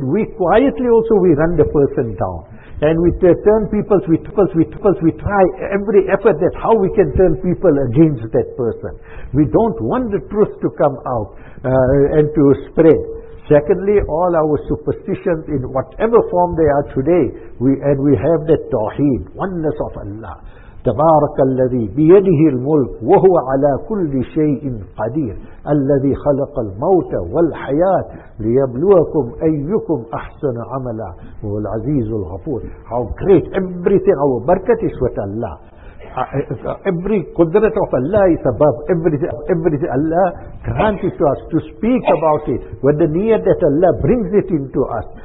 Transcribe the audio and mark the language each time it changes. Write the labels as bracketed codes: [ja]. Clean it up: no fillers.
[en] We quietly also we run the person down. And we turn people, we try every effort that how we can turn people against that person. We don't want the truth to come out and to spread. Secondly, all our superstitions in whatever form they are today, we have that tawheed, oneness of Allah. [ar] تبارك الذي بيده الملك وهو على كل شيء قدير الذي خلق الموت والحياة ليبلوكم أيكم أحسن عملا هو العزيز الغفور. [en] How great everything, our barakat is with Allah. Every qudrat of Allah is above everything. Allah grants it to us to speak about it with the niyyah that Allah brings it into us.